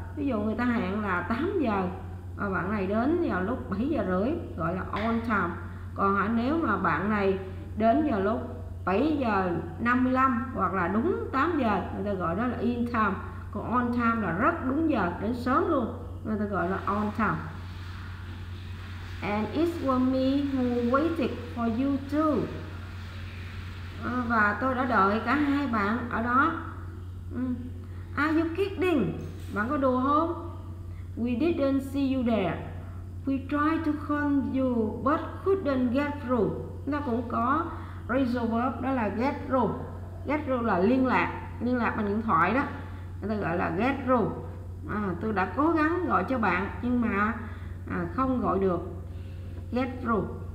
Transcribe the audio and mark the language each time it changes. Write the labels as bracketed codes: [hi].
[vi] Ví dụ người ta hẹn là 8 giờ và bạn này đến vào lúc 7 giờ rưỡi gọi là on time. Còn nếu mà bạn này đến vào lúc 7 giờ 55 hoặc là đúng 8 giờ người ta gọi đó là in time. Còn on time là rất đúng giờ, đến sớm luôn. Người ta gọi là on time. [en] And it was me who waited for you too. [vi] Và tôi đã đợi cả hai bạn ở đó. [en] Are you kidding? [vi] Bạn có đùa không? [en] We didn't see you there. We tried to call you but couldn't get through. [vi] Nó cũng có ratio verb đó là get through. Get through là liên lạc bằng điện thoại đó. Người ta gọi là get through. Tôi đã cố gắng gọi cho bạn nhưng mà không gọi được. Get through.